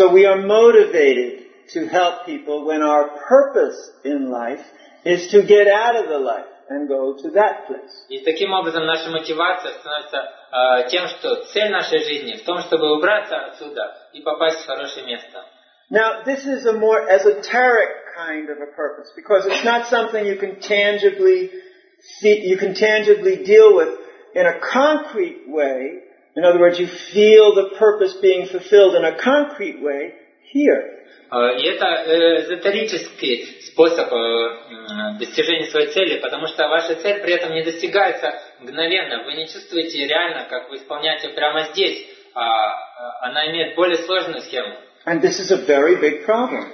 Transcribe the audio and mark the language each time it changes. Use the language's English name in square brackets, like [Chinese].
[English] So we are motivated to help people when our purpose in life is to get out of the life and go to that place. [Russian] И таким образом наша мотивация становится тем, что цель нашей жизни в том, чтобы убраться отсюда и попасть в хорошее место. [English] Now, this is a more esoteric kind of a purpose, because it's not something you can tangibly see, you can tangibly deal with in a concrete way. In other words, you feel the purpose being fulfilled in a concrete way here. [Russian] И это эзотерический способ достижения своей цели, потому что ваша цель при этом не достигается мгновенно. Вы не чувствуете реально, как вы исполняете прямо здесь. Она имеет более сложную схему. [English] And this is a very big problem.